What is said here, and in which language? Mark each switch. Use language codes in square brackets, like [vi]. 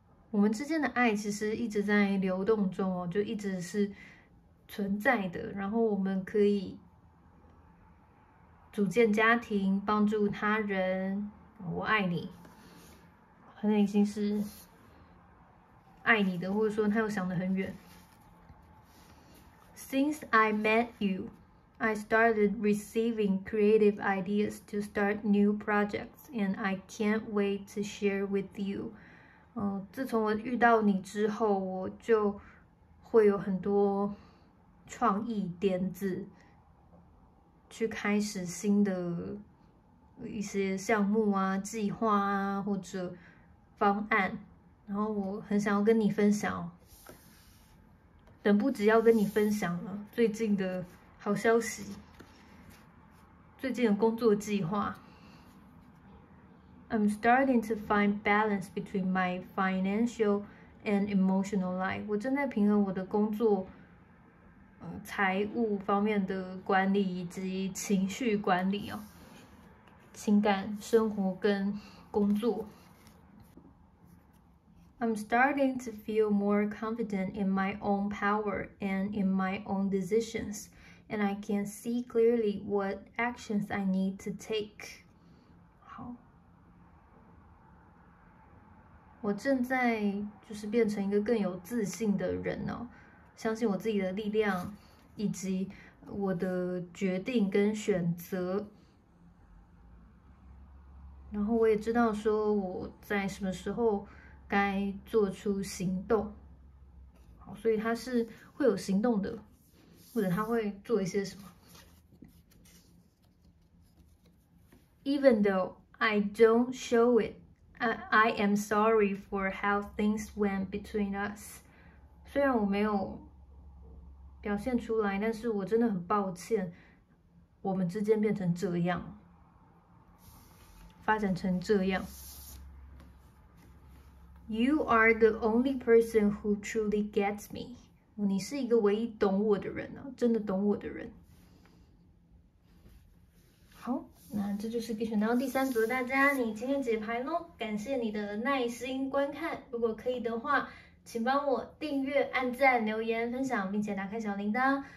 [zh] 我们之间的爱其实一直在流动中哦，就一直是存在的。然后我们可以组建家庭，帮助他人。我爱你，他内心是爱你的，或者说他又想得很远。 [en] Since I met you. I started receiving creative ideas to start new projects, and I can't wait to share with you. [zh] 自从我遇到你之后，我就会有很多创意点子，去开始新的一些项目啊、计划啊或者方案。然后我很想要跟你分享，等不及要跟你分享了。最近的。好消息，最近的工作计划。 [en] I'm starting to find balance between my financial and emotional life. [zh] 我正在平衡我的工作，财务方面的管理以及情绪管理哦，情感生活跟工作。 [en] I'm starting to feel more confident in my own power and in my own decisions. And I can see clearly what actions I need to take. [zh] 好，我正在就是变成一个更有自信的人哦，相信我自己的力量，以及我的决定跟选择。然后我也知道说我在什么时候该做出行动。好，所以他是会有行动的。或者他会做一些什么 [en] ？Even though I don't show it, I am sorry for how things went between us. [zh] 虽然我没有表现出来，但是我真的很抱歉，我们之间变成这样，发展成这样。 [en] You are the only person who truly gets me. [zh] 你是一个唯一懂我的人啊，真的懂我的人。好，那这就是给选到第三组的大家，你今天解牌咯，感谢你的耐心观看。如果可以的话，请帮我订阅、按赞、留言、分享，并且打开小铃铛。